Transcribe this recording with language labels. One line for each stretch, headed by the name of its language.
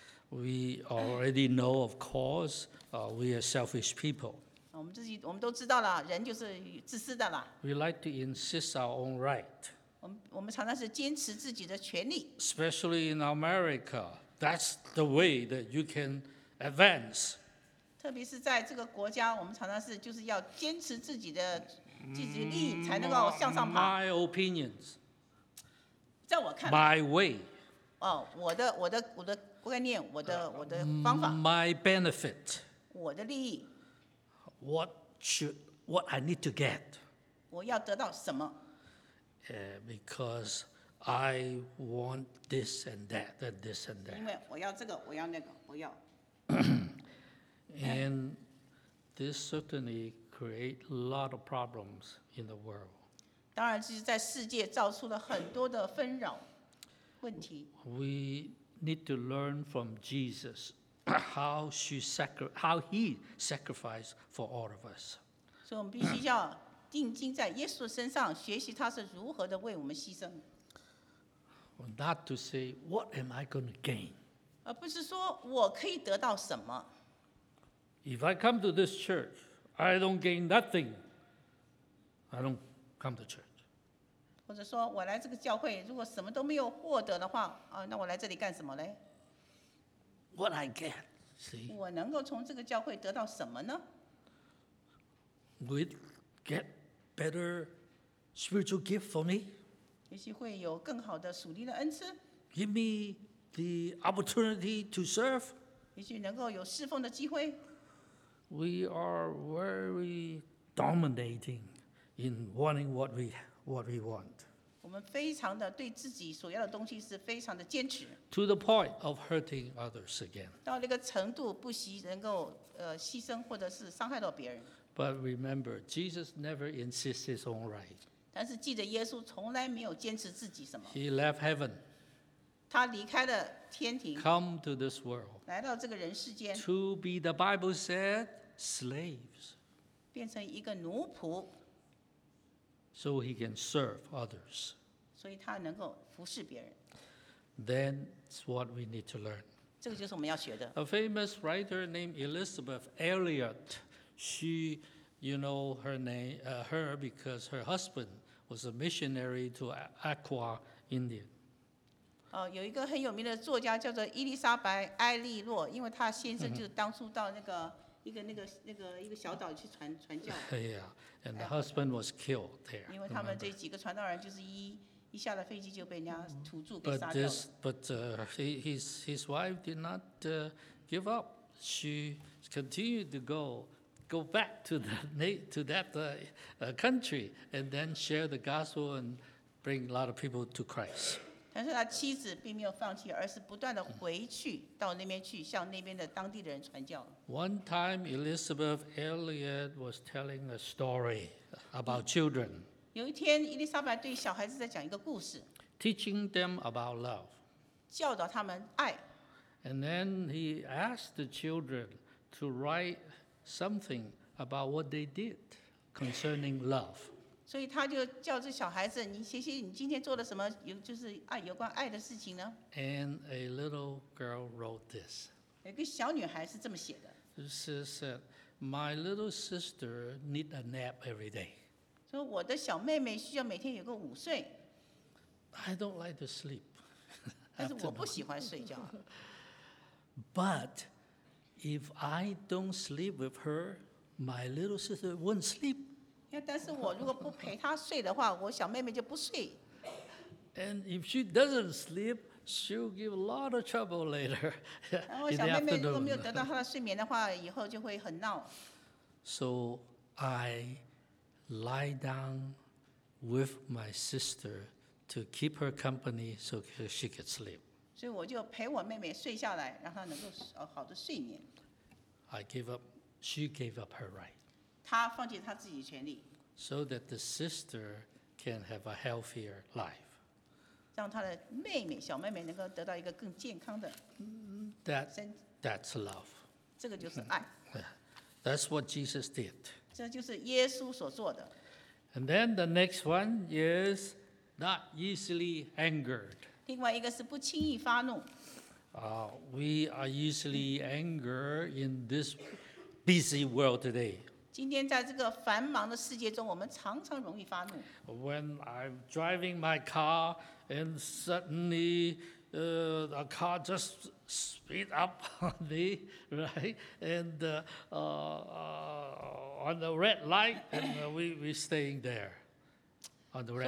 English: We already know, of course, we are selfish people.
Chinese: 我们都知道了，人就是自私的了。
English: We like to insist our own right.
Chinese: 我们常常是坚持自己的权利。
English: Especially in America. That's the way that you can advance.
Chinese: 特别是在这个国家，我们常常是就是要坚持自己利益，才能够向上爬。
English: My opinions.
Chinese: 在我看。
English: My way.
Chinese: 我的观念，我的方法。
English: My benefit.
Chinese: 我的利益。
English: What I need to get.
Chinese: 我要得到什么？
English: Because. I want this and that, that this and that.
Chinese: 因为我要这个，我要那个，我要。
English: And this certainly creates a lot of problems in the world.
Chinese: 当然，就是在世界造出了很多的纷扰问题。
English: We need to learn from Jesus how he sacrificed for all of us.
Chinese: 所以我们必须要定睛在耶稣身上，学习他是如何的为我们牺牲。
English: Not to say, what am I going to gain?
Chinese: 而不是说我可以得到什么。
English: If I come to this church, I don't gain nothing. I don't come to church.
Chinese: 或者说我来这个教会如果什么都没有获得的话、啊、那我来这里干什么呢？
English: What I get.
Chinese: 我能够从这个教会得到什么呢？
English: Would get better spiritual gift for me.
Chinese: 也许会有更好的属灵的恩赐。
English: Give me the opportunity to serve.
Chinese: 也许能够有侍奉的机会。
English: We are very dominating in wanting what we want.
Chinese: 我们非常的对自己所要的东西是非常的坚持。
English: To the point of hurting others again.
Chinese: 到那个程度不惜能够牺牲或者是伤害到别人。
English: But remember, Jesus never insists his own right.
Chinese: 但是记得耶稣从来没有坚持自己什么。
English: He left heaven.
Chinese: 他离开了天庭。
English: Come to this world.
Chinese: 来到这个人世间。
English: To be, the Bible said, slaves.
Chinese: 变成一个奴仆。
English: So he can serve others.
Chinese: 所以他能够服侍别人。
English: That's what we need to learn.
Chinese: 这个就是我们要学的。
English: A famous writer named Elizabeth Elliot. She, you know her name, her because her husband was a missionary to Aqua, India.
Chinese: 有一个很有名的作家叫做伊丽莎白·埃利洛，因为她先生就是当初到那个。一个小岛去传教。
English: Yeah, and the husband was killed there.
Chinese: 因为他们这几个传道人就是一下了飞机就被人家土著给杀掉了。
English: But his wife did not give up. She continued to go back to that country and then share the gospel and bring a lot of people to Christ.
Chinese: 但是他妻子并没有放弃，而是不断的回去到那边去向那边的当地的人传教。
English: One time, Elizabeth Elliot was telling a story about children.
Chinese: 有一天，伊丽莎白对小孩子在讲一个故事。
English: Teaching them about love.
Chinese: 教导他们爱。
English: And then he asked the children to write something about what they did concerning love.
Chinese: 所以他就叫这小孩子，你写写你今天做了什么，有就是爱有关爱的事情呢
English: ？And a little girl wrote this.
Chinese: 有个小女孩是这么写的。
English: She said, "My little sister needs a nap every day."
Chinese: 说我的小妹妹需要每天有个午睡。
English: I don't like to sleep.
Chinese: 但是我不喜欢睡觉。
English: But if I don't sleep with her, my little sister won't sleep.
Chinese: 但是我如果不陪她睡的话，我小妹妹就不睡。
English: And if she doesn't sleep. She'll give a lot of trouble later.
Chinese: 然后小妹妹如果没有得到她的睡眠的话，以后就会很闹。
English: So I lie down with my sister to keep her company so she could sleep.
Chinese: 所以我就陪我妹妹睡下来，让她能够好的睡眠。
English: I gave up. She gave up her right.
Chinese: 她放弃她自己的权利。
English: So that the sister can have a healthier life.
Chinese: 让她的妹妹，小妹妹能够得到一个更健康的身体。
English: That's love.
Chinese: 这个就是爱。
English: That's what Jesus did.
Chinese: 这就是耶稣所做的。
English: And then the next one is not easily angered.
Chinese: 另外一个是不轻易发怒。
English: We are easily angered in this busy world today.
Chinese: 今天在这个繁忙的世界中，我们常常容易发怒。
English: When I'm driving my car and suddenly, a car just speed up on me, right? And on the red light, and we staying there on the red light.